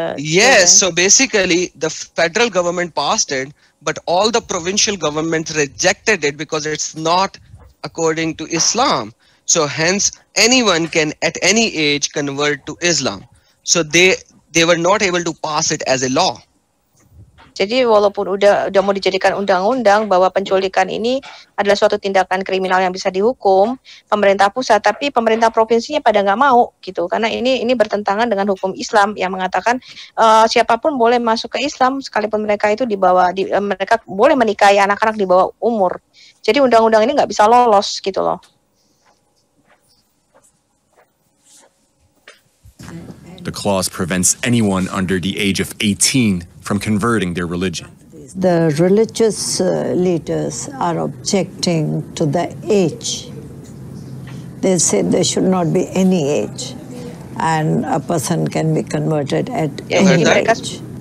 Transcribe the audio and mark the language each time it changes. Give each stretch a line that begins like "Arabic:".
English: Yes, so basically the federal government passed it, but all the provincial governments rejected it because it's not according to Islam. So hence, anyone can at any age convert to Islam. So they were not able to pass it as a law.
Indonesian: Jadi walaupun udah mau dijadikan undang-undang bahwa penculikan ini adalah suatu tindakan kriminal yang bisa dihukum pemerintah pusat, tapi pemerintah provinsinya pada nggak mau gitu, karena ini bertentangan dengan hukum Islam yang mengatakan siapapun boleh masuk ke Islam sekalipun mereka itu mereka boleh menikahi anak-anak di bawah umur. Jadi undang-undang ini nggak bisa lolos gitu loh.
English: The clause prevents anyone under the age of 18 from converting their religion. The religious leaders are objecting to the age. They said there should not be any age and a person can be converted at any age.